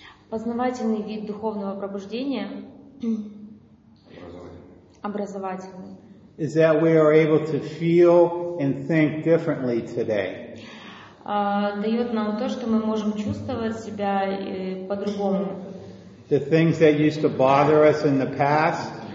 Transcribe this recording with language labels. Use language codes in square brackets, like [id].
[ru] Познавательный вид духовного пробуждения. Образовательный. [en] Is that we are able to feel and think differently today. [ru] Дает нам то, что мы можем чувствовать себя по-другому. [en] The things that used to bother us in the past.